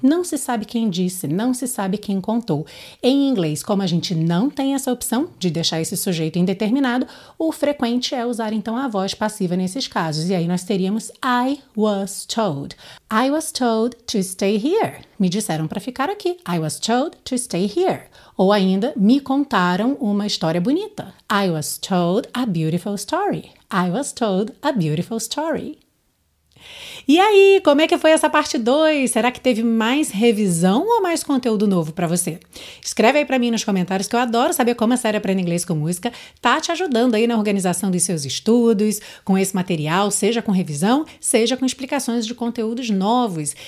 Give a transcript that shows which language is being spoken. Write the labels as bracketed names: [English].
[Portuguese] Não se sabe quem disse, não se sabe quem contou. Em inglês, como a gente não tem essa opção de deixar esse sujeito indeterminado, o frequente é usar então a voz passiva nesses casos. E aí nós teríamos [English] I was told. I was told to stay here. [Portuguese] Me disseram para ficar aqui. [English] I was told to stay here. [Portuguese] Ou ainda, me contaram uma história bonita. [English] I was told a beautiful story. I was told a beautiful story. [Portuguese] E aí, como é que foi essa parte 2? Será que teve mais revisão ou mais conteúdo novo para você? Escreve aí para mim nos comentários que eu adoro saber como a série Aprenda Inglês com Música tá te ajudando aí na organização dos seus estudos, com esse material, seja com revisão, seja com explicações de conteúdos novos.